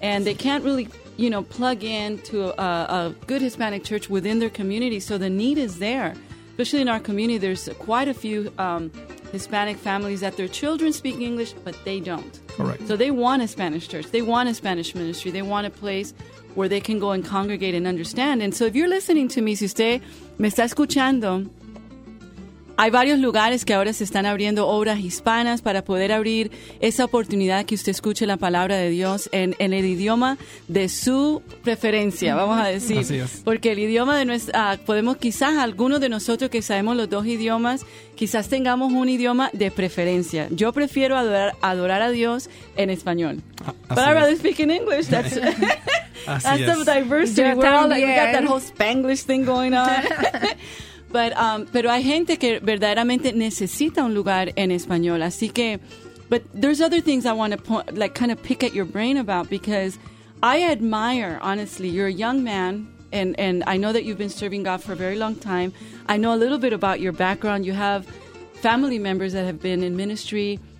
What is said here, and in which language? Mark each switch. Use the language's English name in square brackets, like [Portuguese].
[English] And they can't really, you know, plug in to a good Hispanic church within their community. So the need is there. Especially in our community, there's quite a few Hispanic families that their children speak English, but they don't. Correct. So they want a Spanish church. They want a Spanish ministry. They want a place where they can go and congregate and understand. And so if you're listening to me, [Spanish] si usted me está escuchando, hay varios lugares que ahora se están abriendo obras hispanas para poder abrir esa oportunidad que usted escuche la palabra de Dios en el idioma de su preferencia, vamos a decir. Así es. Porque el idioma de nuestra, podemos quizás algunos de nosotros que sabemos los dos idiomas, quizás tengamos un idioma de preferencia. Yo prefiero adorar a Dios en español. [English] But I'd rather speak in English. That's that's the diversity. We got that whole Spanglish thing going on. [Spanish] Pero hay gente que verdaderamente necesita un lugar en español. Así que, [English] but there's other things I want to kind of pick at your brain about, because I admire, honestly, you're a young man, and I know that you've been serving God for a very long time. I know a little bit about your background. You have family members that have been in ministry.